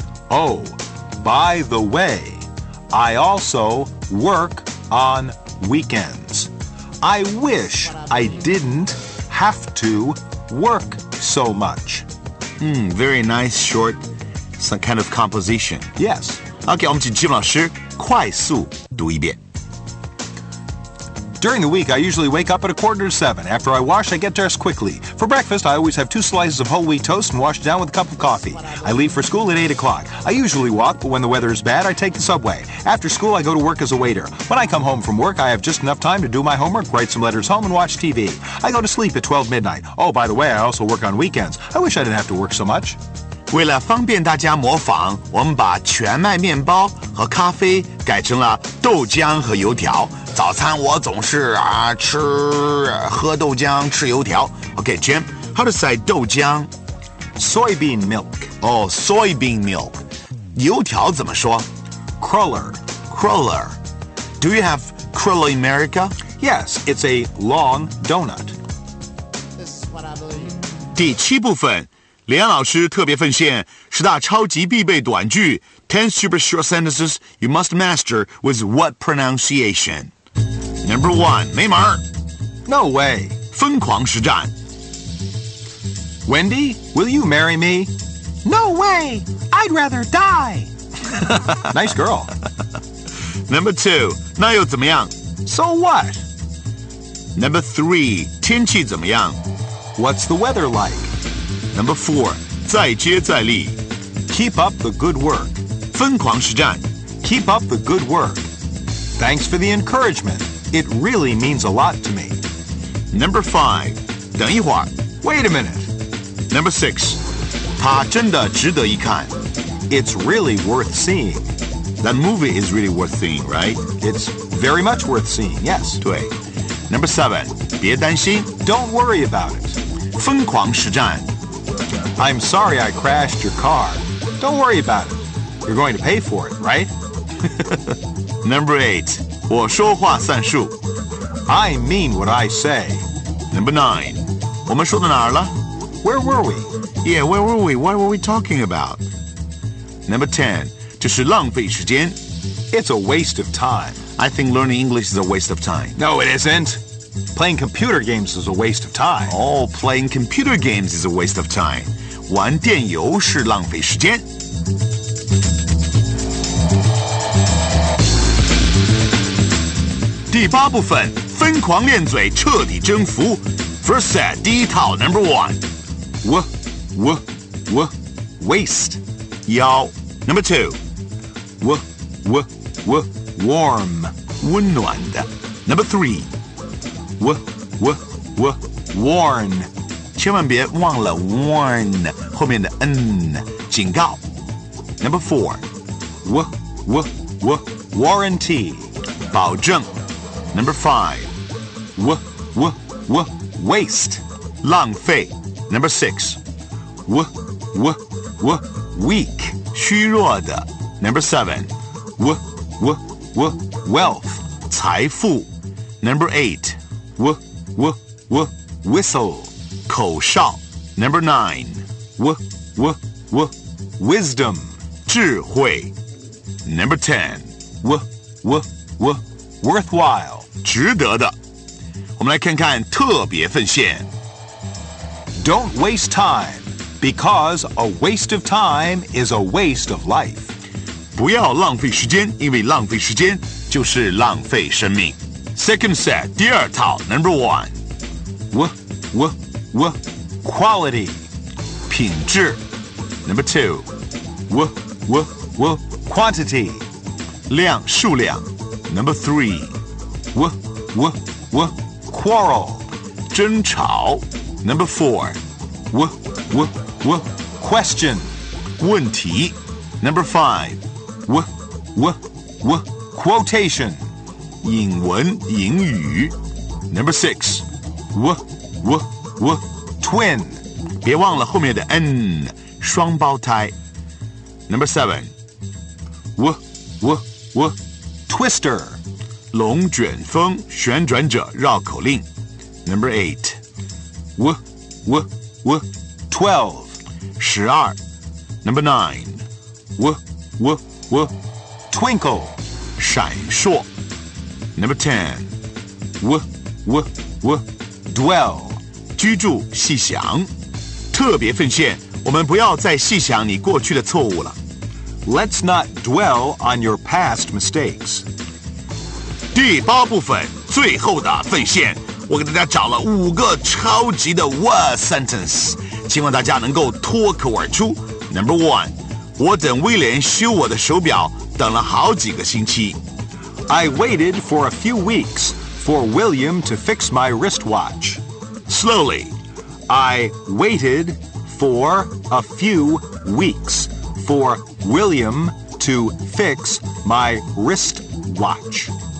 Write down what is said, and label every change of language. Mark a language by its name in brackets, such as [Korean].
[English] Oh, by the way, I also work on weekends. I wish I didn't have to work so much. Very nice short, some kind of composition. Yes. [Chinese] OK, 我们请 Jim 老师快速读一遍。 [English] During the week, I usually wake up at 6:45. After I wash, I get dressed quickly. For breakfast, I always have 2 slices of whole wheat toast and wash it down with a cup of coffee. I leave for school at 8:00. I usually walk, but when the weather is bad, I take the subway. After school, I go to work as a waiter. When I come home from work, I have just enough time to do my homework, write some letters home, and watch TV. I go to sleep at 12:00. Oh, by the way, I also work on weekends. I wish I didn't have to work so much. [Chinese] 为了方便大家模仿，我们把全麦面包和咖啡改成了豆浆和油条。早餐我总是吃喝豆浆吃油条。 [English] Okay, Jim, how to say 豆浆？Soybean milk. Oh, soybean milk. [Chinese] 油条怎么说 [English] ？Cruller. Cruller. Do you have Cruller America? Yes, it's a long donut. This is what I believe. [Chinese] 第七部分，连老师特别奉献十大超级必备短句 [English] ，10 super short sentences you must master with what pronunciation？ Number one, [Chinese] 没门儿 [English] No way. [Chinese] 疯狂实战 [English] Wendy, will you marry me? No way. I'd rather die. Nice girl. Number two, [Chinese] 那又怎么样 [English] So what? Number three, [Chinese] 天气怎么样 [English] What's the weather like? Number four, [Chinese] 再接再厉 [English] Keep up the good work. [Chinese] 疯狂实战 [English] Keep up the good work. Thanks for the encouragement. It really means a lot to me. Number five, [Chinese] 等一会儿 [English] Wait a minute. Number six, [Chinese] 它真的值得一看 [English] It's really worth seeing. That movie is really worth seeing, right? It's very much worth seeing, yes. [Chinese] 对 [English] Number seven, [Chinese] 别担心 [English] Don't worry about it. [Chinese] 疯狂实战 [English] I'm sorry I crashed your car. Don't worry about it. You're going to pay for it, right? Number eight, [Chinese] 我说话算数 [English] I mean what I say. Number nine, [Chinese] 我们说到哪儿了 [English] Where were we? Yeah, where were we? What were we talking about? Number ten, [Chinese] 这是浪费时间 [English] It's a waste of time. I think learning English is a waste of time. No, it isn't. Playing computer games is a waste of time. Oh, playing computer games is a waste of time. [Chinese] 玩电游是浪费时间第八部分，疯狂练嘴，彻底征服。 [English] First set, [Chinese] 第一套 [English] number one. W-w-w-waste. [Chinese] 腰 [English] Number two. W-w-w-warm. [Chinese] 温暖的 [English] Number three. W-w-w-warn. [Chinese] 千万别忘了 warn, 后面的 N, 警告 [English] Number four. W-w-w-warranty. [Chinese] 保证 [English] Number five, w w w waste, [Chinese] 浪费 [English] Number six, w w w weak, [Chinese] 虚弱的 [English] Number seven, w w w wealth, [Chinese] 财富 [English] Number eight, w w w whistle, [Chinese] 口哨 [English] Number nine, w w w wisdom, [Chinese] 智慧 [English] Number ten, w w w worthwhile. [Chinese] 值得的我们来看看特别奉献 [English] Don't waste time Because a waste of time is a waste of life [Chinese] 不要浪费时间因为浪费时间就是浪费生命 [English] Second set [Chinese] 第二套 [English] Number one W-w-w Quality [Chinese] 品质 [English] Number two W-w-w Quantity [Chinese] 量数量 [English] Number three w w w quarrel [Chinese] 争吵 [English] Number four w w w question [Chinese] 问题 [English] Number five w w w quotation [Chinese] 引文引语 [English] Number six w w w twin [Chinese] 别忘了后面的 n 双胞胎 [English] Number seven w w w twister [Chinese] 龙卷风旋转者绕口令 [English] Number eight w w w twelve [Chinese] 十二 [English] Number nine w w w twinkle [Chinese] 闪烁 [English] Number ten w w w dwell [Chinese] 居住细想特别奉献我们不要再细想你过去的错误了 [English] Let's not dwell on your past mistakes. [Chinese] 第八部分，最后的奉献，我给大家找了五个超级的 [English] what sentence， [Chinese] 希望大家能够脱口而出。 [English] Number one， [Chinese] 我等威廉修我的手表等了好几个星期。 [English] I waited for a few weeks for William to fix my wristwatch. Slowly, I waited for a few weeks for William to fix my wristwatch.